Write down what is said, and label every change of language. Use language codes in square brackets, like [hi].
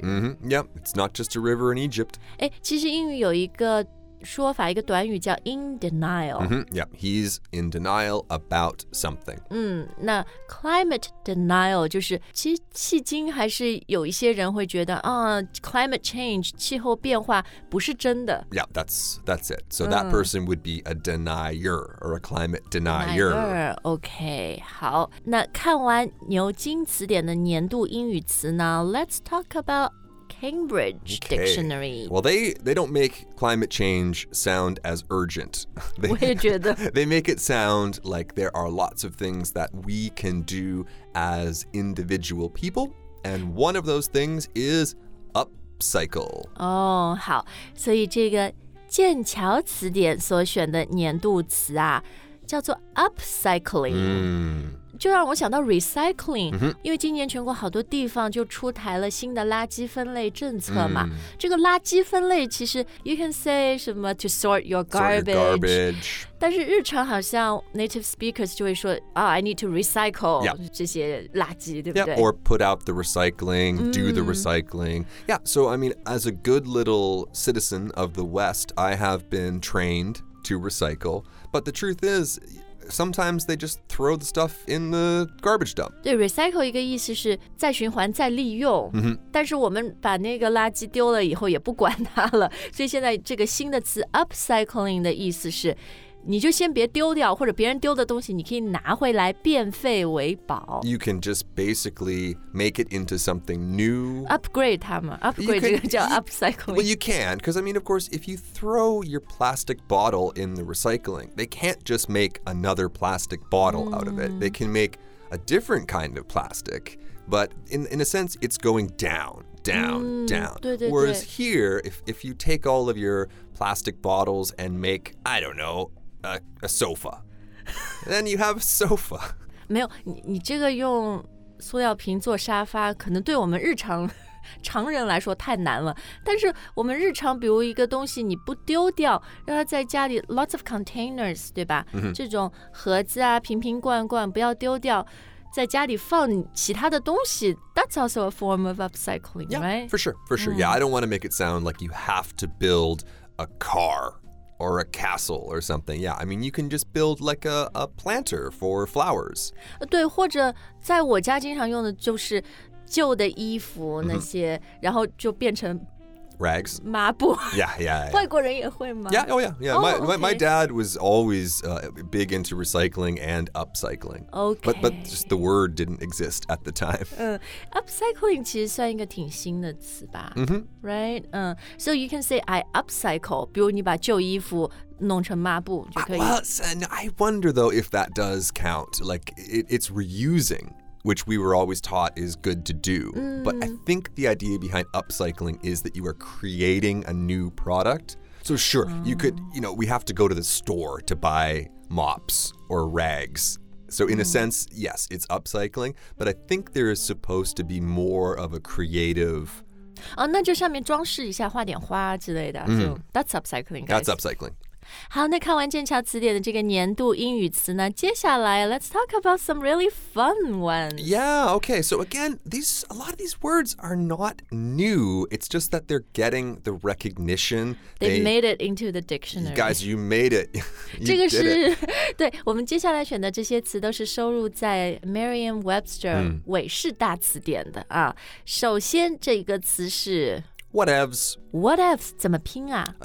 [en] Mm-hmm. Yep, it's not just a river in Egypt. [zh] 其实英语有一个说法，一个短语叫 in denial. Mm-hmm. [en] Yeah, he's in denial about something. [zh] 那 climate denial 就是其实迄今还是有一些人会觉得啊、climate change 气候变化不是真的。 [en] Yeah, that's it. So that person would be a denier or a climate denier. [zh] Okay, 好，那看完牛津词典的年度英语词呢 ， [en] Let's talk about. Cambridge Dictionary. Okay. Well, they don't make climate change sound as urgent. They make it sound like there are lots of things that we can do as individual people. And one of those things is upcycle. [zh] Oh, 好。所以这个剑桥词典所选的年度词啊，叫做 upcycling。就让我想到 recycling、因为今年全国好多地方就出台了新的垃圾分类政策嘛、这个垃圾分类其实 [en] you can say [zh] 什么 [en] to sort your garbage, [zh] 但是日常好像 native speakers 就会说、 [en] I need to recycle、 [zh] 这些垃圾对不对、 [en] or put out the recycling、do the recycling、so I mean as a good little citizen of the West I have been trained to recycle but the truth isSometimes they just throw the stuff in the garbage dump. [zh] 对 ，recycle 一个意思是再循环再利用。但是我们把那个垃圾丢了以后也不管它了，所以现在这个新的词 upcycling 的意思是，你就先别丢掉，或者别人丢的东西，你可以拿回来变废为宝。 [en] You can just basically make it into something new. [zh] Upgrade 它嘛 ，upgrade 这个叫 upcycling. [en] Well, you can, because I mean, of course, if you throw your plastic bottle in the recycling, they can't just make another plastic bottle out of it. They can make a different kind of plastic, but in a sense, it's going down. [zh] 对对对 [en] Whereas here, if you take all of your plastic bottles and make, I don't know. A sofa. Then you have a sofa. [zh] 没有，你这个用塑料瓶做沙发，可能对我们日常常人来说太难了。但是我们日常，比如一个东西你不丢掉，让它在家里 [en] lots of containers, [zh] 对吧？这种盒子啊，瓶瓶罐罐不要丢掉，在家里放其他的东西。 [en] That's also a form of upcycling, yeah, right? For sure. Yeah, I don't want to make it sound like you have to build a car. Or a castle or something. Yeah, I mean, you can just build like a planter for flowers. [zh] 对，或者在我家经常用的就是旧的衣服那些，然后就变成 [en] rags, [zh] 抹布。 [en] Yeah. [zh] 外国人也会吗 [en] ？Yeah, oh yeah, yeah. My dad was always big into recycling and upcycling. Okay. But just the word didn't exist at the time. [zh] Upcycling 其实算一个挺新的词吧。 [en] Right. So you can say I upcycle. [zh] 比如你把旧衣服弄成抹布就可以。 [en] And I wonder though if that does count. Like it's reusing. Which we were always taught is good to do. But I think the idea behind upcycling is that you are creating a new product. So sure, you could, you know, we have to go to the store to buy mops or rags. So in a sense, yes, it's upcycling. But I think there is supposed to be more of a creative... [zh] 那就上面装饰一下，画点花之类的。 [en] So that's upcycling, guys. That's upcycling. [zh] 好，那看完剑桥词典的这个年度英语词呢，接下来 [en] let's talk about some really fun ones. Yeah, okay. So again, a lot of these words are not new. It's just that they're getting the recognition. They made it into the dictionary. Guys, you made it. [zh] You 这个是对我们接下来选的这些词都是收入在 Merriam-Webster 韦氏大词典的啊。首先这个词是 [en] whatevs. [zh] Whatevs 怎么拼啊